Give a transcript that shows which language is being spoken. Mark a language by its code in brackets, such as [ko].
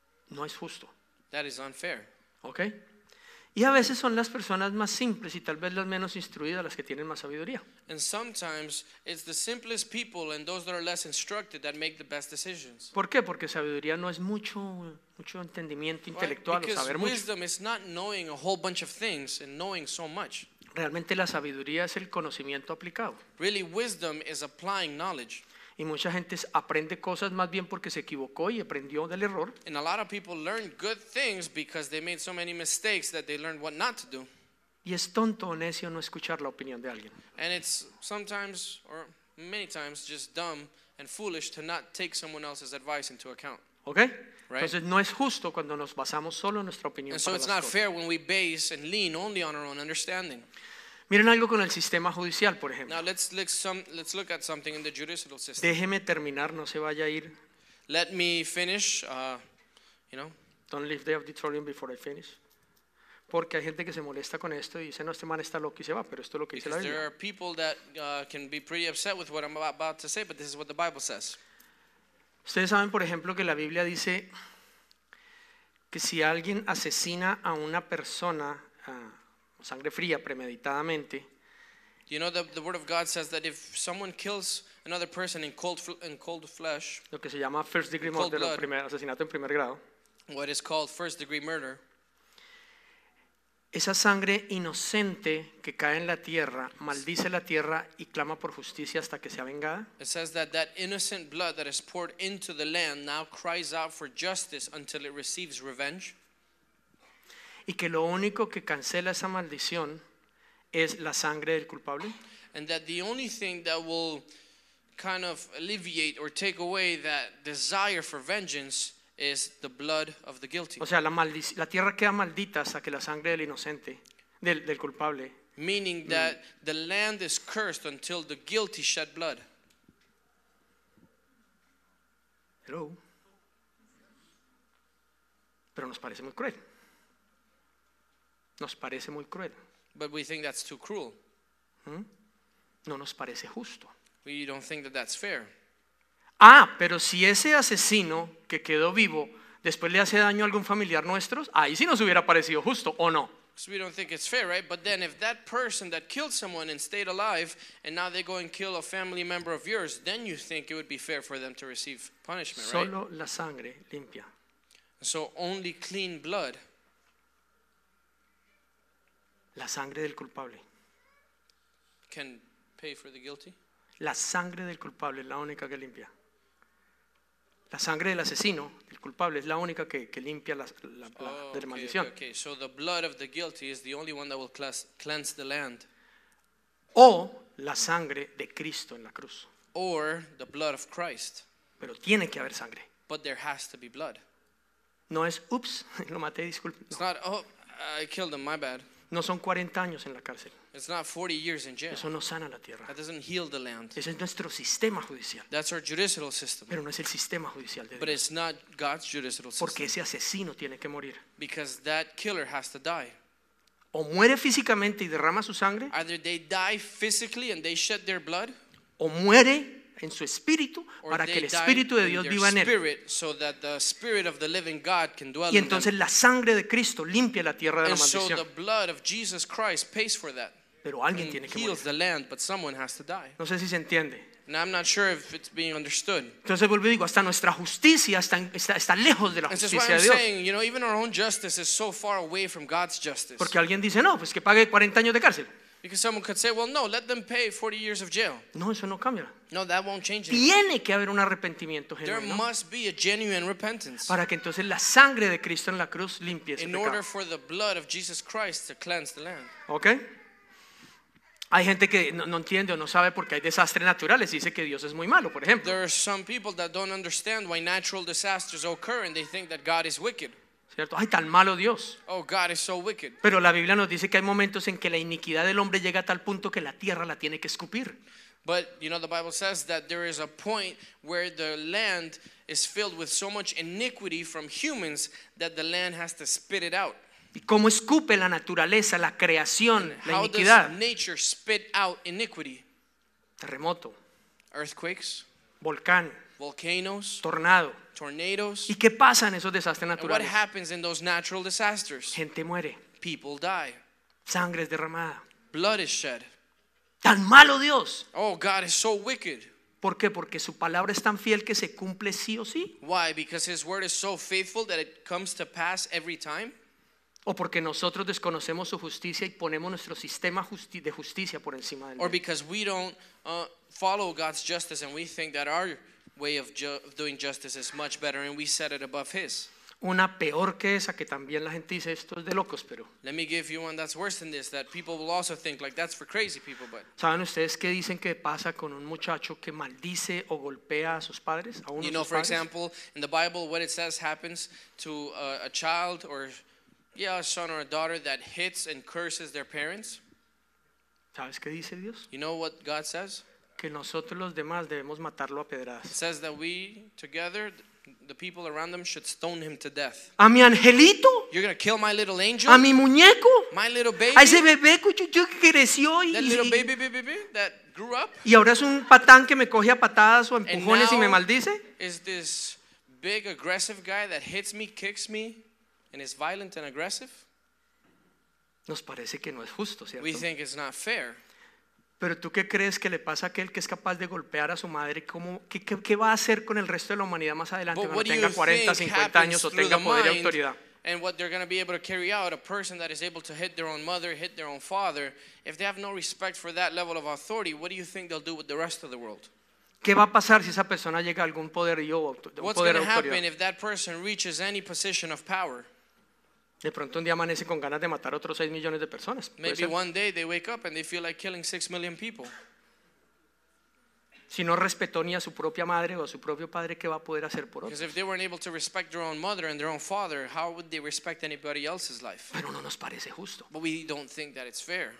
[es] No es justo. [en] That is unfair. Okay. [es] Y a veces son las personas más simples y tal vez las menos instruidas las que tienen más sabiduría. [en] And sometimes it's the simplest people and those that are less instructed that make the best decisions. [es] ¿Por qué? Porque sabiduría no es mucho entendimiento intelectual o saber mucho. [en] Because wisdom is not knowing a whole bunch of things and knowing so much. [es] Realmente la sabiduría es el conocimiento aplicado. [en] Really, wisdom is applying knowledge. [es] Y mucha gente aprende cosas más bien porque se equivocó y aprendió del error. [en] And a lot of people learn good things because they made so many mistakes that they learned what not to do. [es] Y es tonto o necio no escuchar la opinión de alguien. [en] And it's sometimes or many times just dumb and foolish to not take someone else's advice into account. Okay? Right? [es] Entonces no es justo cuando nos basamos solo en nuestra opinión. [en] And so it's not fair when we base and lean only on our own understanding. [es] Miren algo con el sistema judicial, por ejemplo. [en] Now let's look at something in the judicial system. [es] Déjeme terminar, no se vaya a ir. [en] Let me finish, you know. Don't leave the auditorium before I finish. [es] Porque hay gente que se molesta con esto y dice, no, este man está loco y se va, pero esto es lo que [en] because [es] dice la Biblia. [en] Because there are people that can be pretty upset with what I'm about to say, but this is what the Bible says. [es] Ustedes saben, por ejemplo, que la Biblia dice que si alguien asesina a una persona... sangre fría premeditadamente. [en] You know the word of God says that if someone kills another person in cold flesh, [es] lo que se llama [en] first degree murder, blood, [es] asesinato en primer grado, [en] what is called first degree murder, [es] esa sangre inocente que cae en la tierra maldice la tierra y clama por justicia hasta que sea vengada. [en] It says that innocent blood that is poured into the land now cries out for justice until it receives revenge. [es] Y que lo único que cancela esa maldición es la sangre del culpable. [en] And that the only thing that will kind of alleviate or take away that desire for vengeance is the blood of the guilty. [es] O sea, la tierra queda maldita hasta que la sangre del inocente, del culpable. [en] Meaning that the land is cursed until the guilty shed blood. Hello. [es] Pero nos parece muy cruel. Nos parece muy cruel. [en] But we think that's too cruel. [es] No nos parece justo. [en] We don't think that's fair. [es] Ah, pero si ese asesino que quedó vivo después le hace daño a algún familiar nuestro, ahí sí nos hubiera parecido justo, ¿o no? [en] So we don't think it's fair, right? But then if that person that killed someone and stayed alive and now they go and kill a family member of yours, then you think it would be fair for them to receive punishment, right? [es] Solo la sangre limpia. [en] So only clean blood. [es] La sangre del culpable. [en] Can pay for the guilty? [es] La sangre del culpable es la única que limpia. La sangre del asesino, del culpable, es la única que limpia la maldición. [en] Okay. So the blood of the guilty is the only one that will cleanse the land. [es] O la sangre de Cristo en la cruz. [en] Or the blood of Christ. [es] Pero tiene que haber sangre. [en] But there has to be blood. [es] No es, ups, lo maté, disculpe. [en] It's not, oh, I killed him, my bad. [es] No son 40 años en la cárcel. [en] It's not 40 years in jail. [es] Eso no sana la tierra. [en] That doesn't heal the land. [es] Ese es nuestro sistema judicial. [en] That's our judicial system. [es] Pero no es el sistema judicial de Dios. [en] But it's not God's judicial system. [es] Porque ese asesino tiene que morir. [en] Because that killer has to die. [es] O muere físicamente y derrama su sangre. [en] Either they die physically and they shed their blood. [es] O muere en su espíritu para que el espíritu de Dios viva en él. [en] Spirit, so that the spirit of the living God can dwell in them. [es] Y entonces la sangre de Cristo limpia la tierra de la maldición. [en] And so the blood of Jesus Christ pays for that. [es] Pero alguien tiene que morir. [en] The land, but someone has to die. [es] No sé si se entiende. [en] And I'm not sure if it's being understood. [es] Entonces vuelvo y digo, hasta nuestra justicia está lejos de la justicia de Dios. [en] Saying, you know, even our own justice is so far away from God's justice. [es] Porque alguien dice, no, pues que pague 40 años de cárcel. [en] Because someone could say, well, no, let them pay 40 years of jail. [es] No, eso no cambia. [en] No, that won't change anything. [es] Tiene que haber un arrepentimiento genuino. [en] There must be a genuine repentance. [es] Para que entonces la sangre de Cristo en la cruz limpie ese pecado. [en] In order for the blood of Jesus Christ to cleanse the land. Okay. [es] Hay gente que no entiende o no sabe por qué hay desastres naturales. Dice que Dios es muy malo, por ejemplo. [en] There are some people that don't understand why natural disasters occur and they think that God is wicked. [es] ¿Cierto? Ay, tan malo Dios. [en] Oh, God is so wicked. [es] Pero la Biblia nos dice que hay momentos en que la iniquidad del hombre llega a tal punto que la tierra la tiene que escupir. [en] But you know the Bible says that there is a point where the land is filled with so much iniquity from humans that the land has to spit it out. [es] ¿Y cómo escupe la naturaleza, la creación, [en] and [es] la iniquidad? [en] How does nature spit out iniquity? [es] Terremoto. [en] Earthquakes. [es] Volcán. [en] Volcanoes. [es] Tornado. [en] Tornadoes. [es] ¿Y qué pasa en esos desastres naturales? [en] And what happens in those natural disasters? [es] Gente muere. [en] People die. [es] Sangre es derramada. [en] Blood is shed. [es] Tan malo Dios. [en] Oh, God is so wicked. [es] ¿Por qué? Porque su palabra es tan fiel que se cumple sí o sí. [en] Why? Because his word is so faithful that it comes to pass every time. [es] O porque nosotros desconocemos su justicia y ponemos nuestro sistema de justicia por encima de él. [en] Or because we don't follow God's justice and we think that our way of doing justice is much better and we set it above his. [es] Una peor que esa que también la gente dice esto es de locos, pero. [en] Let me give you one that's worse than this that people will also think like that's for crazy people, but. [es] ¿Saben ustedes qué dicen que pasa con un muchacho que maldice o golpea a sus padres, a uno de sus padres? [en] You know, for [es] padres? [en] Example, in the Bible what it says happens to a child or a son or a daughter that hits and curses their parents. [es] ¿Sabes qué dice Dios? [en] You know what God says? [es] Que nosotros los demás debemos matarlo a pedradas. [en] It says that we together the people around them should stone him to death. [es] A mi angelito. [en] You're gonna kill my little angel. [es] A mi muñeco. [en] My little baby. [es] A ese bebé que creció y [en] that little baby that grew up. [es] Y ahora es un patán que me coge a patadas o empujones y me maldice. [en] Is this big aggressive guy that hits me, kicks me, and is violent and aggressive? [es] Nos parece que no es justo, ¿cierto? [en] We think it's not fair. [es] Pero tú qué crees que le pasa a aquel que es capaz de golpear a su madre, ¿cómo qué va a hacer con el resto de la humanidad más adelante [en] but [es] cuando tenga 40, 50 años o tenga poder y autoridad? [en] And what they're going to be able to carry out, a person that is able to hit their own mother, hit their own father, if they have no respect for that level of authority, what do you think they'll do with the rest of the world? [es] ¿Qué va a pasar si esa persona llega a algún poder y yo [en] what's [es] poder [en] gonna [es] o autoridad? [en] What's going to happen if that person reaches any position of power? [es] De pronto un día amanece con ganas de matar a otros 6 millones de personas. [en] Maybe one day they wake up and they feel like killing 6 million people. [es] Si no respetó ni a su propia madre o a su propio padre, ¿qué va a poder hacer por otros? [en] Because if they weren't able to respect their own mother and their own father, how would they respect anybody else's life? [es] Pero no nos parece justo. [en] But we don't think that it's fair.